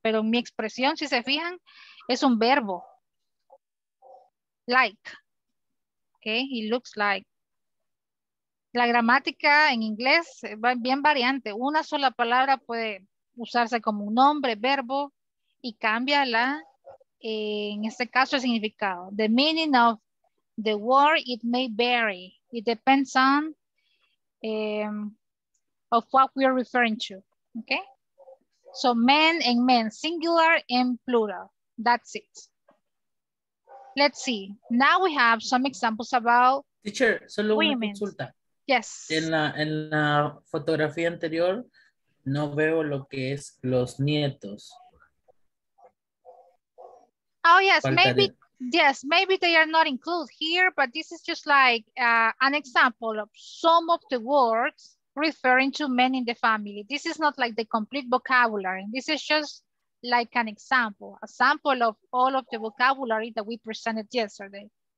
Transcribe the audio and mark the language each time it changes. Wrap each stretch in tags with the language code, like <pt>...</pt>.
<es>Pero mi expresión, si se fijan, es un verbo.</es> <en>Like. Okay, he looks like.</en> <es>La gramática en inglés va bien variante. Una sola palabra puede usarse como un nombre, verbo, y cambia la, en este caso, el significado.</es> <en>The meaning of the word, it may vary. It depends on of what we are referring to. Okay? So men and men, singular and plural. That's it. Let's see. Now we have some examples about teacher,</en> <es>solo women. Una consulta.</es> <en>Yes.</en> <es>En la fotografía anterior no veo lo que es los nietos.</es> <en>Oh yes,</en> <es>faltaría.</es> <en>maybe they are not included here, but this is just like an example of some of the words referring to men in the family. This is not like the complete vocabulary. This is just like an example, a sample of all of the vocabulary that we presented yesterday.</en>